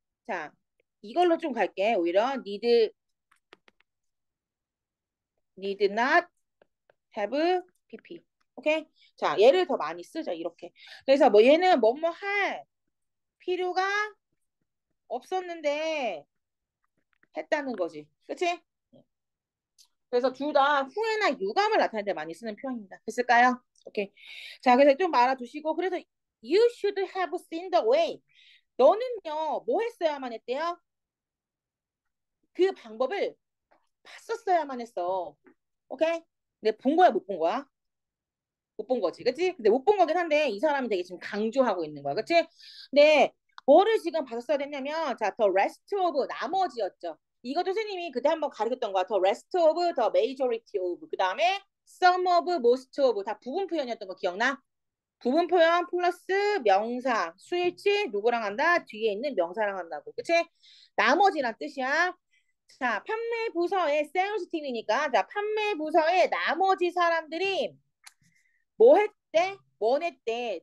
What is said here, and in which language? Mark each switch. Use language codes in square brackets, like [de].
[ko] 자, 이걸로 좀 갈게. 오히려 니드 not 해브 PP. 오케이? 자, 얘를 더 많이 쓰자. 이렇게. 그래서 뭐 얘는 뭐뭐 할 필요가 없었는데 했다는 거지. 그치? 그래서 둘다 후회나 유감을 나타낼 때 많이 쓰는 표현입니다. 됐을까요? 오케이. 자, 그래서 좀 알아두시고, 그래서 [en] you should have seen the way. [ko] 너는요, 뭐 했어야만 했대요? 그 방법을 봤었어야만 했어. 오케이? 근데 본 거야, 못본 거야? 못본 거지, 그치? 근데 못본 거긴 한데, 이 사람이 되게 지금 강조하고 있는 거야, 그치? 근데, 뭐를 지금 봤었어야 됐냐면, 자, the rest of, 나머지였죠. 이거 선생님이 그때 한번 가르쳤던 거야. the rest of, the majority of, 그 다음에, some of, most of, 다 부분 표현이었던 거 기억나? 부분 표현 플러스 명사, 수일치, 누구랑 한다? 뒤에 있는 명사랑 한다고, 그치? 나머지란 뜻이야. 자, 판매 부서의 sales team이니까, 자, 판매 부서의 나머지 사람들이, 뭐 했대? 뭔 했대?